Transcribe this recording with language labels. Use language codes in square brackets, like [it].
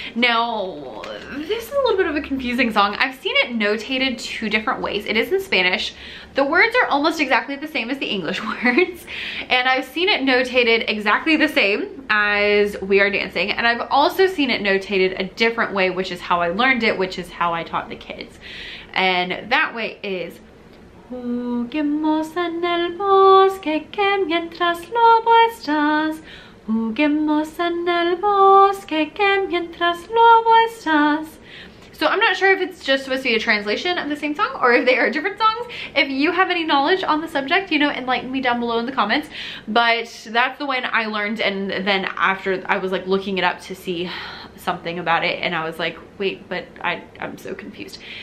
[en] Now, this is a little bit of a confusing song. I've seen it notated two different ways. It is in Spanish. The words are almost exactly the same as the English words. And I've seen it notated exactly the same as We Are Dancing. And I've also seen it notated a different way, which is how I learned it, which is how I taught the kids. And that way is [es] Juguemos en el bosque, que mientras lobo estás. Juguemos en el bosque, que mientras lobo estás. [en] So I'm not sure if it's just supposed to be a translation of the same song or if they are different songs. If you have any knowledge on the subject, you know, enlighten me down below in the comments. But that's the one I learned, and then after I was like looking it up to see something about it, and I was like, wait, but I'm so confused.